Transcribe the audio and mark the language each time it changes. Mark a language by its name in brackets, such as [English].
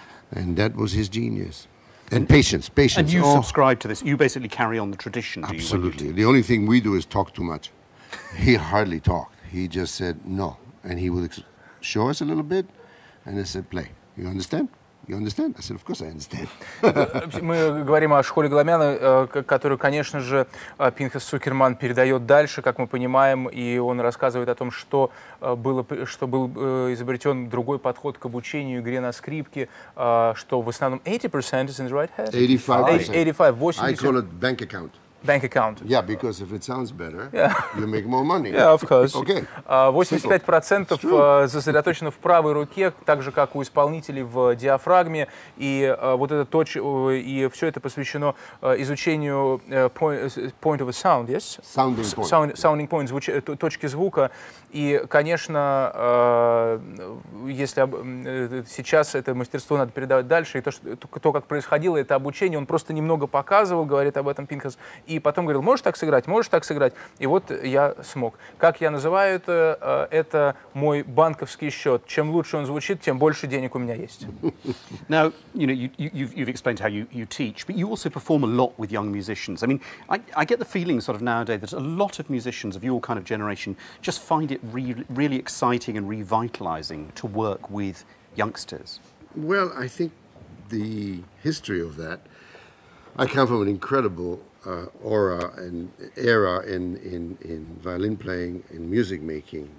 [English] And that was his genius. And patience. And you subscribe to this. You basically carry on the tradition. Absolutely. The only thing we do is talk too much. He hardly talked. He just said no. And he would show us a little bit, and I said, play. You understand? You understand? I said, of course I understand. [Russian] Мы говорим о школе Галамяна, которую, конечно же, Пинхас Цукерман передает дальше, как мы понимаем, и он рассказывает о том, что был изобретен другой подход к обучению игре на скрипке, что в основном 80% [English] is in the right hand. 85%. 85. 80%. I call it bank account. bank account. Yeah, because if it sounds better, you make more money. Yeah, of course. Okay. [Russian] 85% сосредоточено в правой руке, так же как у исполнителей в диафрагме, и вот это и все это посвящено изучению [English] point of a sound, yes? Sounding point. Sounding point, [Russian] точки звука. И, конечно, если сейчас это мастерство надо передавать дальше, и то, как происходило это обучение, он просто немного показывал, говорит об этом Пинхас, и потом говорил, можешь так сыграть. И вот я смог. Как я называю это мой банковский счет. Чем лучше он звучит, тем больше денег у меня есть. [English] Now, you know, you've explained how you teach, but you also perform a lot with young musicians. I mean, I get the feeling sort of nowadays that a lot of musicians of your kind of generation just find it really exciting and revitalizing to work with youngsters. Well, I think the history of that, I come from an incredible aura and era in violin playing and music making.